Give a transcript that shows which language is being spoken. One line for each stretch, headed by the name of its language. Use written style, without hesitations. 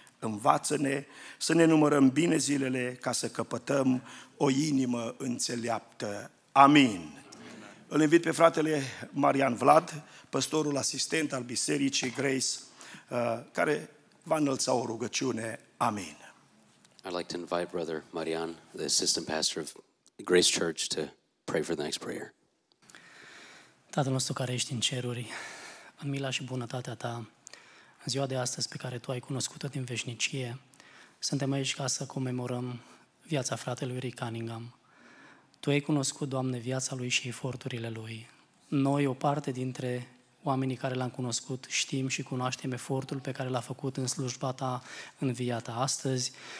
Romanian: Învață-ne să ne numărăm bine zilele ca să căpătăm o inimă înțeleaptă. Amin. Îl invit pe fratele Marian Vlad, păstorul asistent al Bisericii Grace, care va înălța o rugăciune. Amin.
English: I'd like to invite Brother Marian, the assistant pastor of Grace Church, to pray for the next prayer.
Romanian: Tatăl nostru care ești în ceruri, în mila și bunătatea Ta, în ziua de astăzi pe care Tu ai cunoscut-o din veșnicie, suntem aici ca să comemorăm viața fratelui Rick Cunningham. Tu ai cunoscut, Doamne, viața lui și eforturile lui. Noi, o parte dintre oamenii care l-am cunoscut, știm și cunoaștem efortul pe care l-a făcut în slujba Ta, în via Ta astăzi.